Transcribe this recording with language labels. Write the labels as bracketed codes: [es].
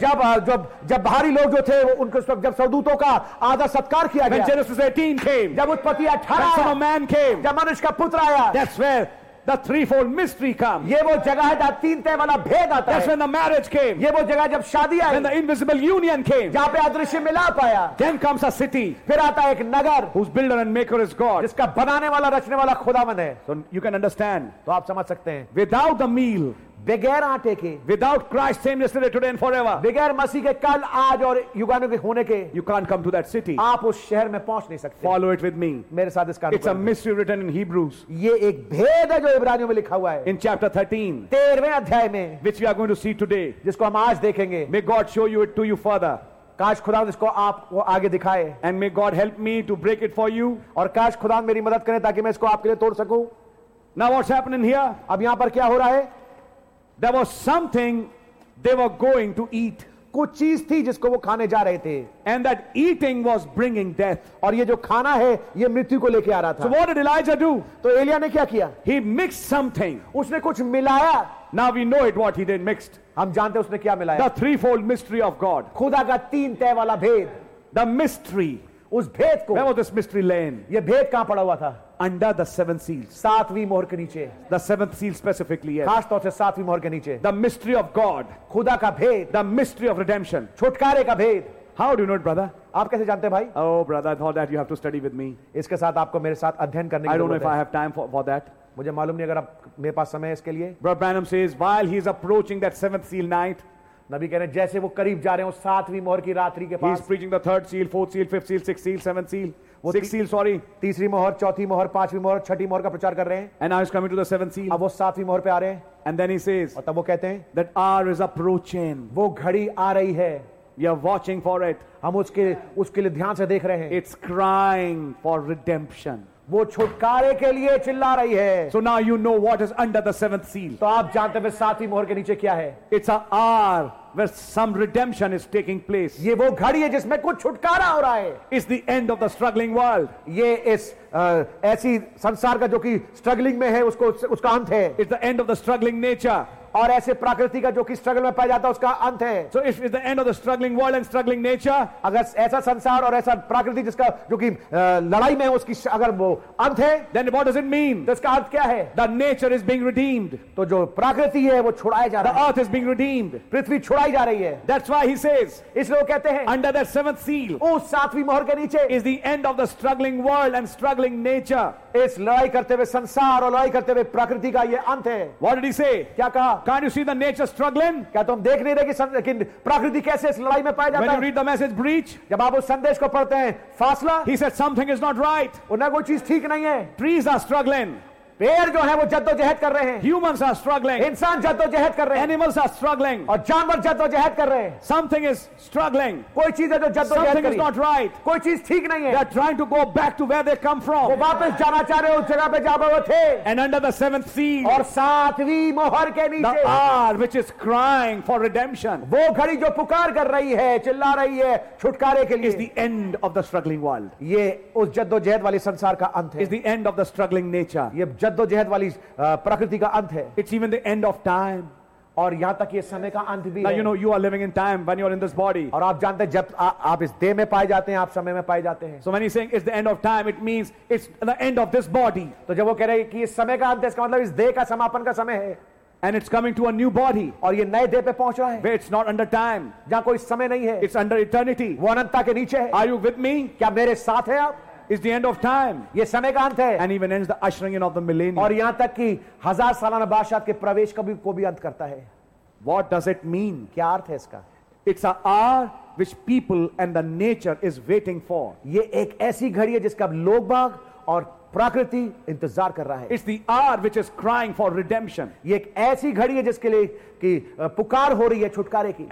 [hi] जब भारी लोग जो थे उनके सब जब सरदूतों का आदर सत्कार किया गया. [en] When Genesis 18 came. [hi] जब उत्पत्ति 18. [en] When a man came. [hi] जब मनुष्य का पुत्र आया. [en] That's where the threefold mystery comes. [hi] ये वो जगह है जहाँ तीन तय वाला भेद आता है. [en] That's when the marriage came. [hi] ये वो जगह जब शादी आई. [en] When the invisible union came. [hi] जहाँ पे अदृश्य मिलाप आया. [en] Then comes a city. [hi] फिर आता एक नगर. [en] Whose builder and maker is God. [hi] जिसका बनाने वाला रचने वाला खुदावंद है. [en] So you can understand. [hi] तो आप समझ सकते हैं. [en] Without the meal. [hi] बगैर आटे के. [en] Without Christ same yesterday today and forever. [hi] बगैर मसीह के कल आज और युगानों के होने के. [en] You can't come to that city. [hi] आप उस शहर में पहुंच नहीं सकते. [en] Follow it with me. [hi] मेरे साथ इस कार्य. [en] It's a mystery written in Hebrews. [hi] ये एक भेद है जो इब्रानियों में लिखा हुआ है. [en] In chapter 13. [hi] 13वें अध्याय में. [en] Which we are going to see today. [hi] जिसको हम आज देखेंगे. [en] May God show you it to you further. [hi] काश खुदा इसको आपको आगे दिखाए. [en] And may God help me to break it for you. [hi] और काश खुदा मेरी मदद करे ताकि मैं इसको आपके लिए तोड़ सकूं. [en] Now what's happening here? [hi] अब यहां पर क्या हो रहा है? [en] There was something they were going to eat. [hi] कुछ चीज थी जिसको वो खाने जा रहे थे. [en] And that eating was bringing death. [hi] और ये जो खाना है ये मृत्यु को लेके आ रहा था. [en] So what did Elijah do? [hi] तो एलिया ने क्या किया? [en] He mixed something. [hi] उसने कुछ मिलाया. [en] Now we know it what he did mixed. [hi] हम जानते हैं उसने क्या मिलाया. [en] The threefold mystery of God. [hi] खुदा का तीन तय वाला भेद. [en] The mystery. [hi] उस भेद को. [en] Where was this mystery laying? [hi] ये भेद कहां पड़ा हुआ था? [en] Under the seven seals. [hi] सातवीं मोहर के नीचे. [en] The seventh seal specifically. Yes. [hi] खास तौर से सातवीं मोहर के नीचे. [en] The mystery of God. [hi] खुदा का भेद. [en] The mystery of redemption. [hi] छुटकारे का भेद. [en] How do you know it, brother? [hi] आप कैसे जानते भाई? [en] Oh, brother, I thought that you have to study with me. [hi] इसके साथ आपको मेरे साथ अध्ययन करने की जरूरत है. [en] I don't know if I have time for that. [hi] मुझे मालूम नहीं अगर आप मेरे पास समय है इसके लिए. [en] Brother Branham says, while he is approaching that seventh seal night. [hi] नबी कह रहे हैं जैसे वो करीब जा रहे हैं सातवीं मोहर की रात्रि के पास. [en] He is preaching the third seal, fourth seal, fifth seal, sixth seal, seventh seal. [hi] तीसरी मोहर चौथी मोहर पांचवी मोहर छठी मोहर का प्रचार कर रहे हैं. [en] And now he's coming to the seventh seal. [hi] अब वो सातवीं मोहर पे आ रहे हैं. [en] And then he says, [hi] और तब वो कहते हैं, [en] that hour is approaching. [hi] वो घड़ी आ रही है. [en] We are watching for it. [hi] हम उसके लिए ध्यान से देख रहे हैं. [en] It's crying for redemption. [hi] वो छुटकारे के लिए चिल्ला रही है. [en] So now you know what is under the seventh seal. [hi] तो आप जानते हैं सातवीं मोहर के नीचे क्या है. [en] It's an hour where some redemption is taking place. [hi] ये वो घड़ी है जिसमें कुछ छुटकारा हो रहा है. [en] It's the end of the struggling world. [hi] ये इस ऐसी संसार का जो कि struggling में है उसको उसका अंत है. [en] It's the end of the struggling nature. [hi] और ऐसे प्रकृति का जो कि स्ट्रगल में पाया जाता है उसका अंत है. [en] So if it's the end of the struggling world and struggling nature, [hi] अगर ऐसा संसार और ऐसा प्रकृति जिसका जो कि लड़ाई में उसकी अगर वो अंत है, [en] then what does it mean? [hi] तो इसका अर्थ क्या है? [en] The nature is being redeemed. [hi] तो जो प्रकृति है वो छुड़ाई जा रही है. [en] The earth is being redeemed. [hi] पृथ्वी छुड़ाई जा रही है. [en] That's why he says. [hi] इसलिए कहते हैं. [en] Under that seventh seal, [hi] उस सातवीं मोहर के नीचे, [en] is the end of the struggling world and struggling nature. [hi] इस लड़ाई करते हुए संसार और लड़ाई करते हुए प्रकृति का ये अंत है. [en] What did he say? [hi] क्या कहा? [en] Can't you see the nature struggling? [hi] क्या तुम देख नहीं रहे कि प्रकृति कैसे इस लड़ाई में पाया जाता है? [en] When you read the message breach, [hi] जब आप उस संदेश को पढ़ते हैं, फासला, [en] he said something is not right. [hi] उन्हें कोई चीज़ ठीक नहीं है. [en] Trees are struggling. [hi] पेड़ जो है वो जद्दोजहद कर रहे हैं. [en] Humans are struggling. [hi] इंसान जद्दोजहद कर रहे हैं. [en] Animals are struggling. [hi] और जानवर जद्दोजहद कर रहे हैं. [en] Something is struggling. [hi] कोई चीज है जो जद्दोजहद कर रही है. [en] Something is not right. [hi] कोई चीज ठीक नहीं है. [en] They are trying to go back to where they come from. [hi] वो वापस जाना चाह रहे हैं उस जगह पे जहां पर वो थे. [en] And under the seventh seal. [hi] और सातवीं मोहर के नीचे. [en] The hour which is crying for redemption. [hi] वो घड़ी जो पुकार कर रही है, चिल्ला रही है छुटकारे के लिए. [en] Is the end of the struggling world. [hi] ये उस जद्दोजहद वाले संसार का अंत है. [en] Is the end of the struggling nature. [hi] ये जद्दोजहद वाली प्रकृति का अंत है. [en] It's even the end of time. [hi] और यहां तक ये समय का अंत भी है. [en] You know you are living in time when you are in this body. [hi] और आप जानते हैं जब आप इस देह में पाए जाते हैं आप समय में पाए जाते हैं. [en] So when he's saying it's the end of time, it means it's the end of this body. [hi] तो जब वो कह रहे हैं कि इस समय का अंत है, इसका मतलब इस देह का समापन का समय है. [en] And it's coming to a new body. [hi] और ये नए देह पे पहुंच रहा है. [en] Where it's not under time. [hi] जहां कोई समय नहीं है. [en] It's under eternity. [hi] वो अनंतता के नीचे है. [en] Are you with me? [hi] क्या मेरे साथ हैं आप? [en] Is the end of time. [hi] ये समय का अंत है. [en] And even ends the ushering in of the millennium. [hi] और यहां तक कि हजार सालाना बादशाह के प्रवेश का भी को भी अंत करता है. [en] What does it mean? [hi] क्या अर्थ है इसका? [en] It's an hour which people and the nature is waiting for. [hi] ये एक ऐसी घड़ी है जिसका लोग बाग और प्रकृति इंतजार कर रहा है. [en] It's the hour which is crying for redemption. [hi] ये एक ऐसी घड़ी है जिसके लिए कि पुकार हो रही है छुटकारे की.